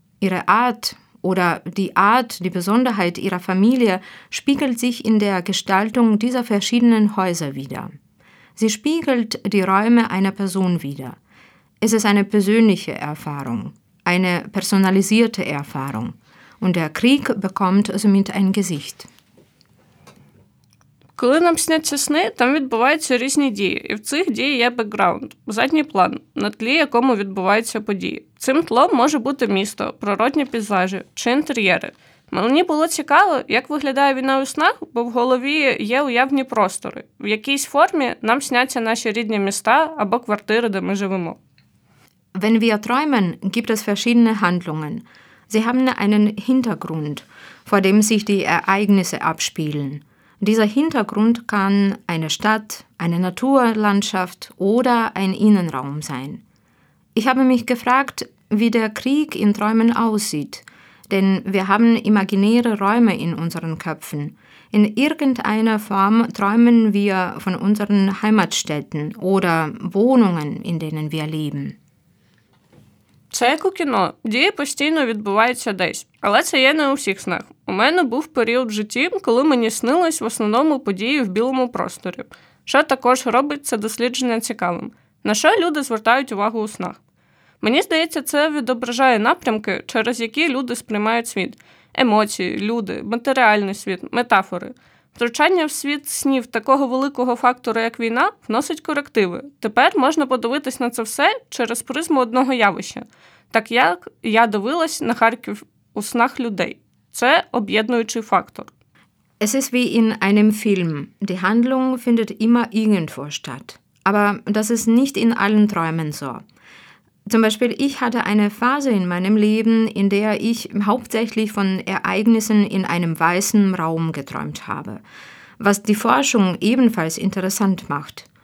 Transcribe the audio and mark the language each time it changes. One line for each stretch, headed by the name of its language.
German: Ihre Art oder die Art, die Besonderheit Ihrer Familie spiegelt sich in der Gestaltung dieser verschiedenen Häuser wider. Sie spiegelt die Räume einer Person wider. Es ist eine persönliche Erfahrung, eine personalisierte Erfahrung. Und der Krieg bekommt somit ein Gesicht.
Ukrainian: Коли нам сняться сни, там відбуваються різні дії. І в цих діях є бекграунд – задній план, на тлі якому відбуваються події. Цим тлом може бути місто, природні пейзажі чи інтер'єри. Мені було цікаво, як виглядає війна у снах, бо в голові є уявні простори. В якійсь формі нам сняться наші рідні міста або квартири, де ми живемо.
German: Wenn wir träumen, gibt es verschiedene Handlungen. Sie haben einen Hintergrund, vor dem sich die Ereignisse abspielen. Dieser Hintergrund kann eine Stadt, eine Naturlandschaft oder ein Innenraum sein. Ich habe mich gefragt, wie der Krieg in Träumen aussieht, denn wir haben imaginäre Räume in unseren Köpfen. In irgendeiner Form träumen wir von unseren Heimatstädten oder Wohnungen, in denen wir leben.
Ukrainian: Це як у кіно. Дії постійно відбуваються десь. Але це є не у всіх снах. У мене був період в житті, коли мені снилось в основному події в білому просторі. Що також робить це дослідження цікавим. На що люди звертають увагу у снах? Мені здається, це відображає напрямки, через які люди сприймають світ. Емоції, люди, матеріальний світ, метафори. Втручання в світ снів такого великого фактора, як війна, вносить корективи. Тепер можна подивитись на це все через призму одного явища. Так як я дивилась на Харків у снах людей. Це об'єднуючий фактор.
German: Es ist wie in einem Film. Die Handlung findet immer irgendwo statt. Aber das ist nicht in allen Träumen so. Zum Beispiel, ich hatte eine Phase in meinem Leben, in der ich hauptsächlich von Ereignissen in einem weißen Raum geträumt habe, was die Forschung ebenfalls interessant macht.